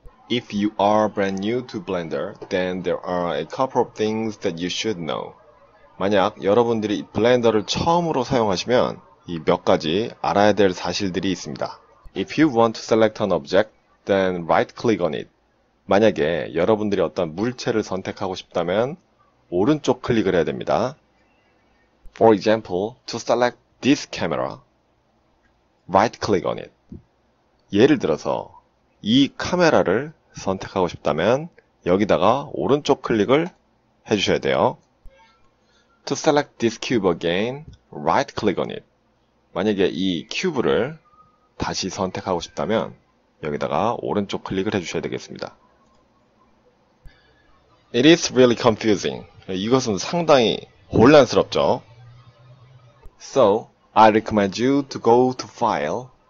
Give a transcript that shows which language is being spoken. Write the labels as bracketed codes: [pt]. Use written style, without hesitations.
[en] If you are brand new to Blender, then there are a couple of things that you should know. [ko] 만약 여러분들이 블렌더를 처음으로 사용하시면 이몇 가지 알아야 될 사실들이 있습니다. [en] If you want to select an object, then right click on it. [ko] 만약에 여러분들이 어떤 물체를 선택하고 싶다면 오른쪽 클릭을 해야 됩니다. [en] For example, to select this camera, right click on it. [ko] 예를 들어서 이 카메라를 선택하고 싶다면 여기다가 오른쪽 클릭을 해주셔야 돼요. [en] To select this cube again, right click on it. [ko] 만약에 이 큐브를 다시 선택하고 싶다면 여기다가 오른쪽 클릭을 해주셔야 되겠습니다. [en] It is really confusing. [ko] 이것은 상당히 혼란스럽죠? [en] So, I recommend you to go to File.